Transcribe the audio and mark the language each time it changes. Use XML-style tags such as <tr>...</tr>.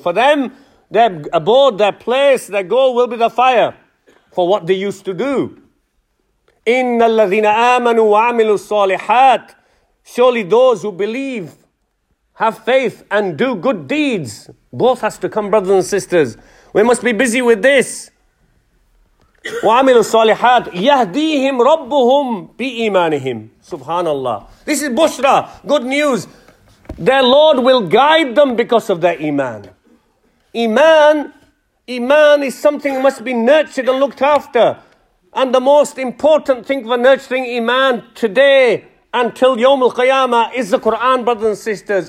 <en>For them, their abode, their place, their goal will be the fire for what they used to do.</en> <ar>Inna alladhina amanu wa amilu salihat.</ar> <en>Surely those who believe, have faith and do good deeds. Both has to come, brothers and sisters. We must be busy with this.</en> <ar>وَعَمِلُوا الصَّالِحَاتِ يَهْدِيهِمْ رَبُّهُمْ بِإِيمَانِهِمْ Subhanallah.</ar> <en>This is Bushra, good news. Their Lord will guide them because of their iman. Iman is something that must be nurtured and looked after. And the most important thing for nurturing iman today until Yawmul Qiyamah is the Qur'an, brothers and sisters.</en>